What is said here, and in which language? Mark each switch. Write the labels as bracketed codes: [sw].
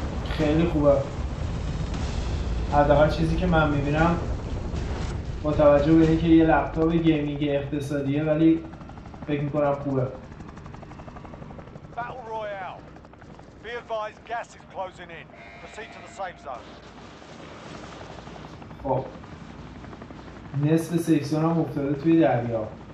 [fa] خیلی خوبه. حداقل چیزی که من میبینم با توجه به اینکه یه لپتاپ گیمینگ اقتصادیه ولی فکر میکنم خوبه. [en] Battle Royale. Be advised, gas is closing in. Proceed to the safe zone. [fa] خب. نصف سیف زون هم افتاده توی دریا.